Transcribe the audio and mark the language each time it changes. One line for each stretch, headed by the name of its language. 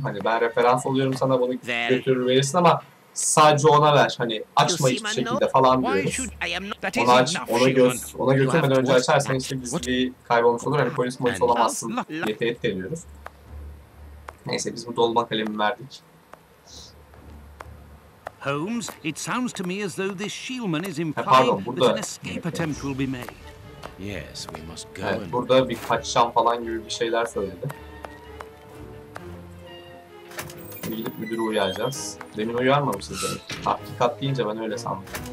Turkish: Hani ben referans oluyorum sana, bunu götürür verirsin ama sadece ona ver. Hani açma hiçbir şekilde falan diyoruz. Ona aç, ona göz, ona götürmeden önce açarsan işte biz bir kaybolmuş olur. Hani polis polis olamazsın diye tehdit ediyoruz. Neyse biz bu dolma kalemi verdik.
English: Holmes, it sounds to me as though this Shielman is implying that an escape attempt will be made. Yes, we must go.
Turkish: Evet, burada bir kaçışan falan gibi bir şeyler söyledi. Gidip müdürü uyaracağız. Demin uyarmamışız demek. Hakikat deyince ben öyle sandım.